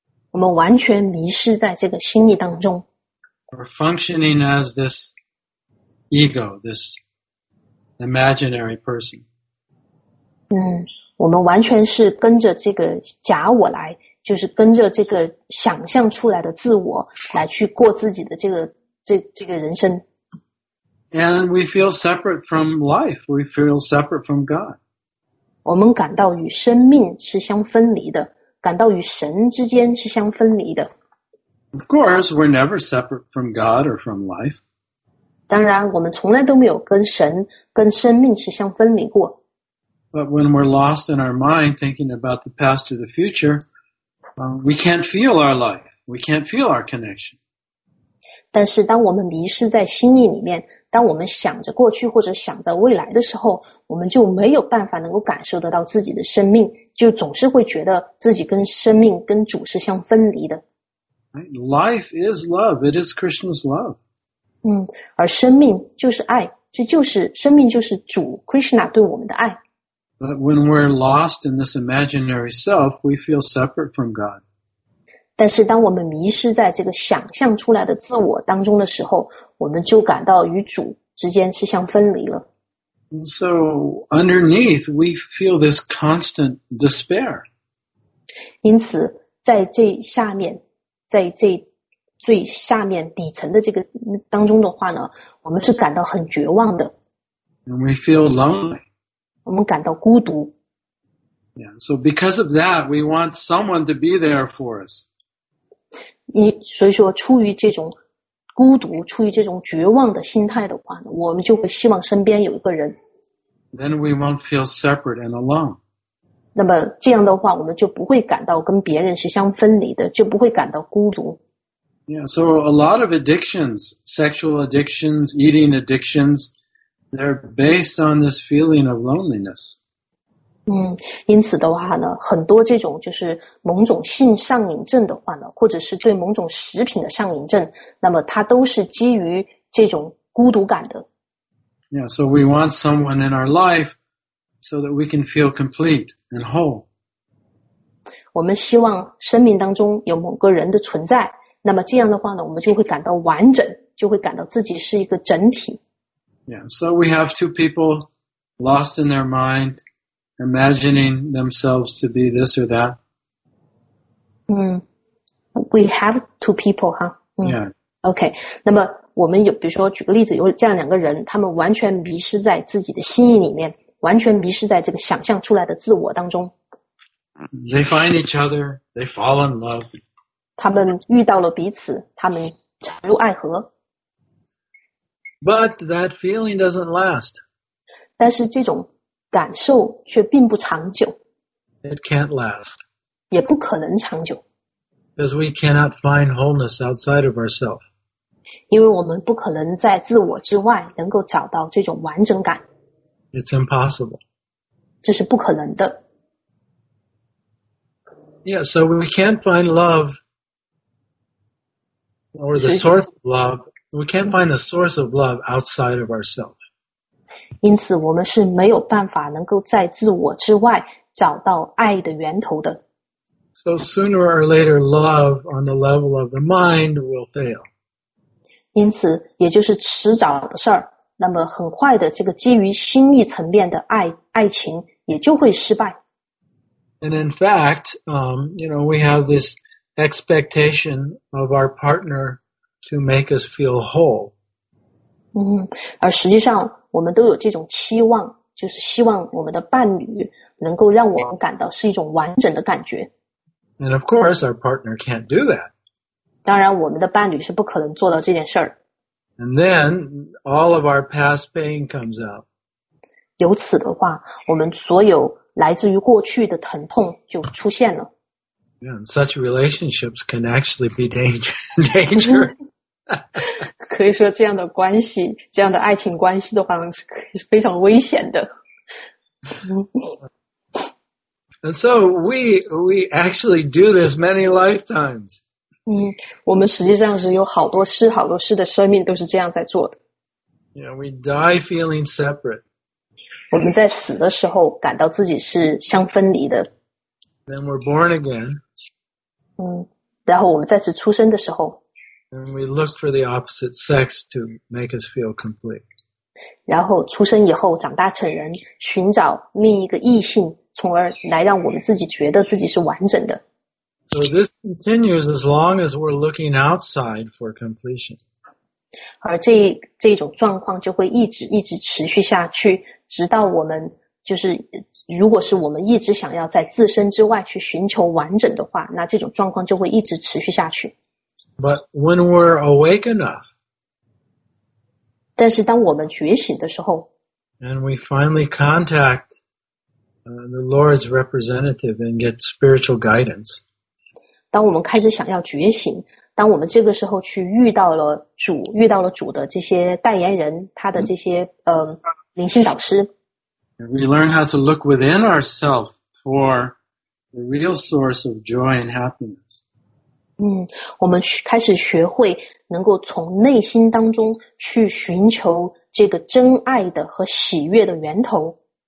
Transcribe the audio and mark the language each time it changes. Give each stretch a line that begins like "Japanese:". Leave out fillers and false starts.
Chinese: 我们完全迷失在这个心理当中。
English: We're functioning as this ego, this imaginary person.
Chinese: 我们完全是跟着这个假我来。就是跟着这个想象出来的自我来去过自己的这个人生。
English: And we feel separate from life. We feel separate from God.
Chinese: 我们感到与生命是相分离的，感到与神之间是相分离的。
English: Of course, we're never separate from God or from life.
Chinese: 当然，我们从来都没有跟神、跟生命是相分离过。
English: But when we're lost in our mind thinking about the past or the future,we can't feel our life. We can't feel our connection.
Chinese: 但是当我们迷失在心意里面，当我们想着过去或者想着未来的时候，我们就没有办法能够感受得到自己的生命，就总是会觉得自己跟生命跟主是相分离的。
English: Life is love. It is Krishna's love.
Chinese: 而生命就是爱，这就是生命就是主 Krishna 对我们的爱。
English: But when we're lost in this imaginary self, we feel separate from God.
Chinese: 但是当我们迷失在这个想象出来的自我当中的时候，我们就感到与主之间是相分离了。
English: And so underneath, we feel this constant despair.
Chinese: 因此，在这下面，在这最下面底层的这个当中的话呢，我们是感到很绝望的。
English: And we feel lonely.
Chinese: 我们感到孤独。
English: Yeah, so because of that, we want someone to be there for us.
Chinese: 所以说出于这种孤独，处于这种绝望的心态的话，我们就会希望身边有一个人。
English: Then we won't feel separate and alone.
Chinese: 那么这样的话，我们就不会感到跟别人是相分离的，就不会感到孤独。
English: Yeah, so a lot of addictions, sexual addictions, eating addictions, they're based on this feeling of loneliness.
Chinese: 因此的话呢，很多这种就是某种性上瘾症的话呢，或者是对某种食品的上瘾症，那么它都是基于这种孤独感的。
English: Yeah, so we want someone in our life so that we can feel complete and whole.
Chinese: 我们希望生命当中有某个人的存在，那么这样的话呢，我们就会感到完整，就会感到自己是一个整体。
English: Yeah, so we have two people lost in their mind, imagining themselves to be this or that. We have two people, huh? Yeah.
Chinese: Okay, 那么我们有，比如说举个例子，有这样两个人，他们完全迷失在自己的心意里面，完全迷失在这个想象出来的自我当中。
English: They find each other, they fall in love.
Chinese: 他们遇到了彼此，他们沉入爱河。
English: But that feeling doesn't last.
Chinese: 但是这种感受却并不长久。
English: It can't last.
Chinese: 也不可能长久。
English: Because we cannot find wholeness outside of ourselves.
Chinese: 因为我们不可能在自我之外能够找到这种完整感。
English: It's impossible.
Chinese: 这是不可能的。
English: Yeah, so we can't find love. Or the source of love, we can't find the source of love outside of ourselves.
Chinese: 因此我们是没有办法能够在自我之外找到爱的源头的。
English: So sooner or later, love on the level of the mind will fail.
Chinese: 因此也就是迟早的事儿，那么很快的这个基于心意层面的爱情也就会失败。
English: And in fact, we have this... expectation of our partner to make us feel whole.
Chinese: 而实际上我们都有这种期望，就是希望我们的伴侣能够让我们感到是一种完整的感觉。
English: And of course, our partner can't do that.
Chinese: 当然我们的伴侣是不可能做到这件事儿。
English: And then, all of our past pain comes out.
Chinese: 由此的话，我们所有来自于过去的疼痛就出现了。
English: Yeah, and such relationships can actually be dangerous.
Chinese: 可以说这样的关系，这样的爱情关系的话是非常危险的。
English: And so we actually do this many lifetimes.
Chinese: 我们实际上是有好多世好多世的生命都是这样在做的。
English: Yeah, we die feeling separate.
Chinese: 我们在死的时候感到自己是相分离的。
English: Then we're born again.
Chinese: 然后我们再次出生的时候
English: And we look for the opposite sex to make us feel complete.
Chinese: 然后出生以后长大成人，寻找另一个异性，从而来让我们自己觉得自己是完整的。
English: So this continues as long as we're looking outside for completion.
Chinese: 而这种状况就会一直一直持续下去，直到我们就是如果是我们一直想要在自身之外去寻求完整的话，那这种状况就会一直持续下去。
English: But when we're awake enough,
Chinese: 但是当我们觉醒的时候
English: and we finally contact, the Lord's representative and get spiritual guidance,
Chinese: 当我们开始想要觉醒，当我们这个时候去遇到了主，遇到了主的这些代言人，他的这些灵性导师，
English: We learn how to look within ourselves for the real source of joy and happiness.
Chinese: 我们开始学会能够从内心当中去寻求这个真爱的和喜悦的源头。